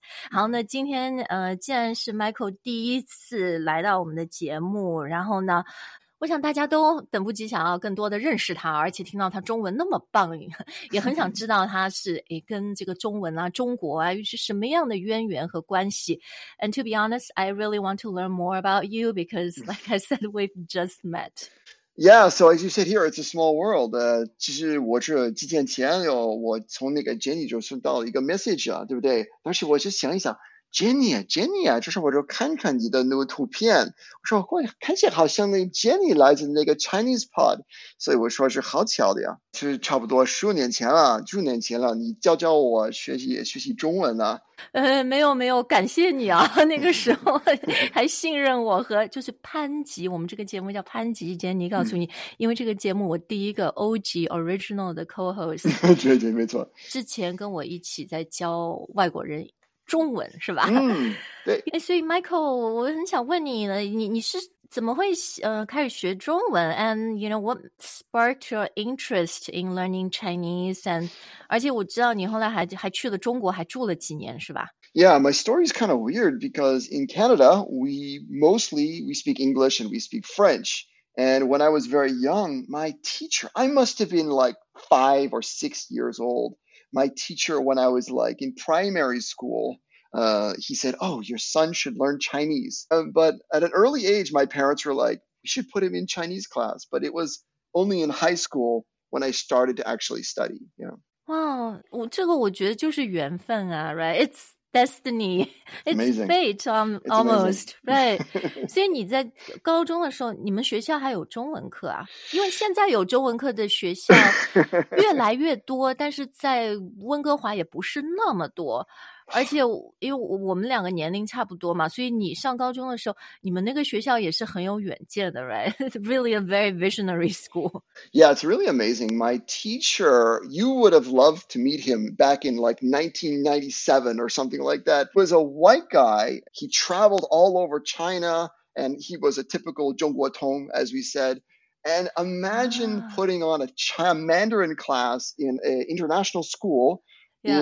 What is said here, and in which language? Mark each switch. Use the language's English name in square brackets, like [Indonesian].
[Chinese] 好，那今天既然是 Michael 第一次来到我们的节目，然后呢，我想大家都等不及想要更多的认识他，而且听到他中文那么棒，也很想知道他是跟这个中文啊、中国啊是什么样的渊源和关系。 [English] And to be honest, I really want to learn more about you because, like I said, we've just met. Yeah, so as you said here, it's a small world. [Chinese] 其实我这几天前有我从那个 Jenny 就收到了一个 message 啊，对不对？当时我就想一想。 Jenny 啊，这时候我就看看你的那个图片，我说会看起来好像那 Jenny 来自那个 Chinese Pod， 所以我说是好巧的呀。就是差不多十五年前了，你教我学习中文呢、啊。没有，感谢你啊，那个时候还信任我和就是潘吉，我们这个节目叫潘吉 Jenny， 告诉你，因为这个节目我第一个 OG Original 的 Co-host，对对，没错，之前跟我一起在教外国人。中文是吧？对。所以 Michael， 我很想问你呢，你是怎么会开始学中文 ？ [English] And you know what sparked your interest in learning Chinese？ [Chinese] And 而且我知道你后来还去了中国，还住了几年是吧 [English] ？Yeah, my story is kind of weird because in Canada we mostly speak English and we speak French. And when I was very young, my teacher, I must have been like 5 or 6 years old. My teacher, when I was like in primary school, he said, oh, your son should learn Chinese. But at an early age, my parents were like, we should put him in Chinese class. But it was only in high school when I started to actually study. Wow, [Chinese] 这个我觉得就是缘分啊, [English] right? It's destiny. It's fate, almost, right? [Chinese] 所以你在高中的时候，你们学校还有中文课啊？因为现在有中文课的学校越来越多，但是在温哥华也不是那么多。而且因为我们两个年龄差不多嘛，所以你上高中的时候，你们那个学校也是很有远见的 ， [English] right? It's really a very visionary school. Yeah, it's really amazing. My teacher, you would have loved to meet him back in like 1997 or something like that. He was a white guy. He traveled all over China, and he was a typical [Chinese] 中国通, [English] as we said. And imagine putting on a Mandarin class in an international school. Yeah.